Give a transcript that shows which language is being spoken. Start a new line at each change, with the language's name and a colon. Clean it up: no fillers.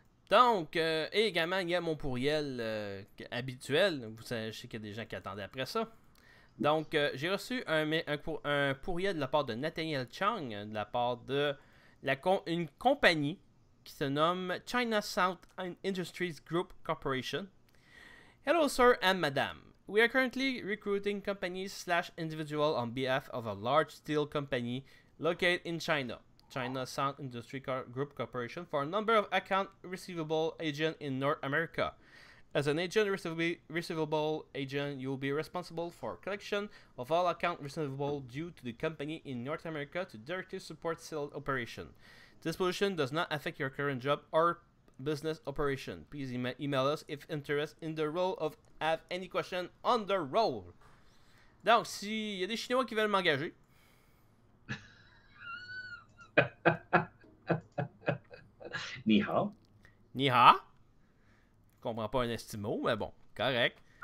French: Donc, et également, il y a mon pourriel habituel. Vous savez, je sais qu'il y a des gens qui attendaient après ça. Donc, j'ai reçu un pourriel de la part de Nathaniel Chung, de la part de une compagnie qui se nomme China South Industries Group Corporation.
English: Hello, sir and madame. We are currently recruiting companies slash individuals on behalf of a large steel company located in China. China Sound Industry Group Corporation for a number of account receivable agent in North America. As an agent receivable agent, you will be responsible for collection of all account receivable due to the company in North America to directly support sales operation. This position does not affect your current job or business operation. Please email us if interested in the role of have any question on the role.
French: Donc, s'il y a des Chinois qui veulent m'engager.
Chinese: Ni hao. Ni ha?
French: Je comprends pas un estimo, mais bon, correct.